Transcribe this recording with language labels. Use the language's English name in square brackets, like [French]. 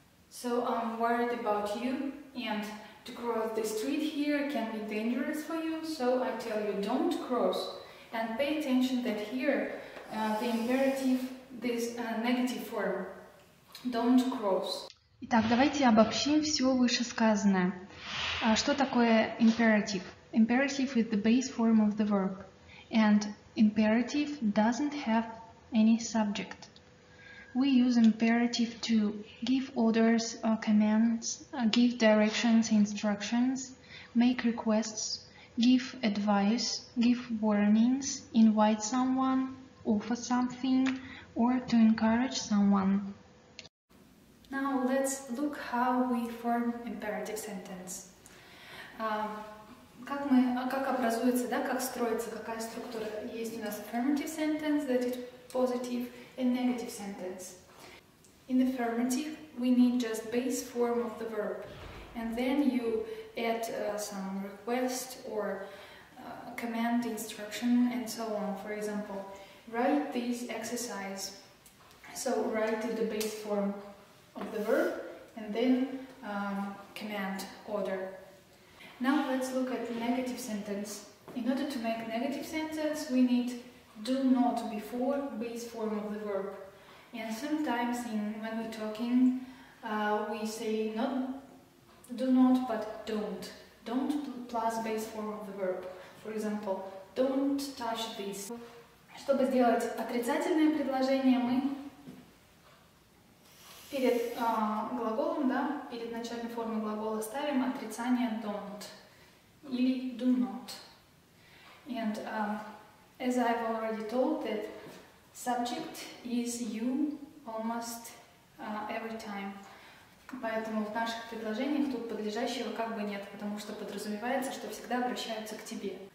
[English] So I'm worried about you, and to cross the street here can be dangerous for you, so I tell you don't cross. And pay attention that here the imperative, this negative form, don't cross. [Russian] Итак, давайте обобщим все вышесказанное. Что такое imperative? [English] Imperative is the base form of the verb. And imperative doesn't have any subject. We use imperative to give orders or commands, give directions, instructions, make requests, give advice, give warnings, invite someone, offer something, or to encourage someone. Now let's look how we form imperative sentence. [Russian] Как образуется, да, как строится, какая структура? Есть у нас [English] affirmative sentence, that is positive, and negative sentence. In affirmative, we need just base form of the verb. And then you add some request or command, instruction, and so on. For example, write this exercise. So write the base form of the verb, and then command, order. Now let's look at the negative sentence. In order to make negative sentence, we need do not before base form of the verb. And sometimes when we're talking, we say not do not, but don't. Don't plus base form of the verb. For example, don't touch this. [Russian] Чтобы сделать отрицательное предложение, мы перед глаголом, да, перед начальной формой глагола ставим отрицание don't. Или do not. [English] And as I've already told, that subject is you almost every time. [Russian] Поэтому в наших предложениях тут подлежащего как бы нет, потому что подразумевается, что всегда обращаются к тебе.